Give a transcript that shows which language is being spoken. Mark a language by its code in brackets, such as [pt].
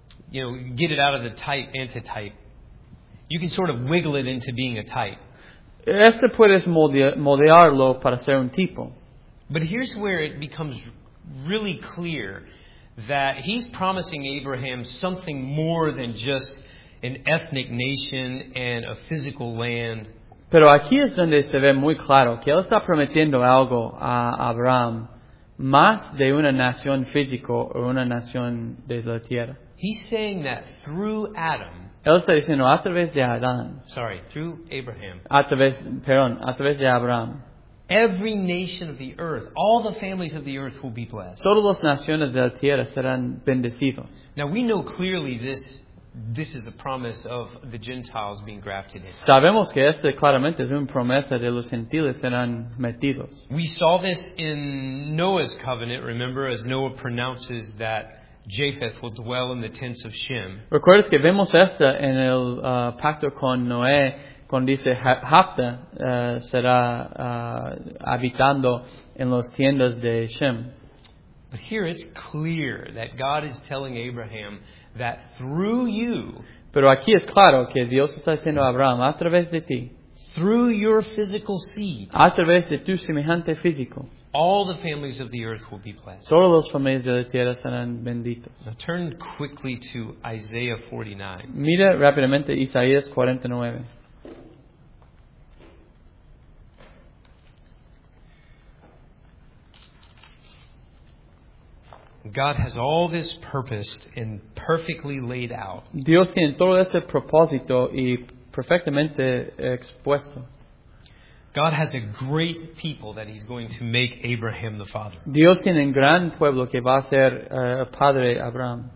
[en] you know, get it out of the type, anti-type. You can sort of wiggle it into being a type. [es] Este puedes moldearlo para ser un tipo. [en] But here's where it becomes really clear that he's promising Abraham something more than just an ethnic nation and a physical land. [es] Pero aquí es donde se ve muy claro que él está prometiendo algo a Abraham más de una nación física o una nación de la tierra. [en] He's saying that through Adam. [es] Él está diciendo a través de Adán. [en] Sorry, through Abraham. [es] A través de Abraham. [en] Every nation of the earth, all the families of the earth will be blessed. [es] Todas las naciones de la tierra serán bendecidos. [en] Now we know clearly this is a promise of the Gentiles being grafted in. [es] Sabemos que esto claramente es una promesa de los gentiles serán metidos. [en] We saw this in Noah's covenant, remember, as Noah pronounces that Japheth will dwell in the tents of Shem. [es] Recuerdas que vemos esta en el pacto con Noé, cuando dice Japheth será habitando en las tiendas de Shem. [en] But here it's clear that God is telling Abraham that through you, [es] pero aquí es claro que Dios está diciendo a Abraham, a través de ti, [en] through your physical seed, [es] a través de tu semejante físico, [en] all the families of the earth will be blessed. [es] Todas las familias de la tierra serán benditas. [en] Now turn quickly to Isaiah 49. [es] Mira rápidamente Isaías 49. [en] God has all this purposed and perfectly laid out. [es] Dios tiene todo este propósito y perfectamente expuesto. [en] God has a great people that he's going to make Abraham the father. [es] Dios tiene un gran pueblo que va a ser padre Abraham.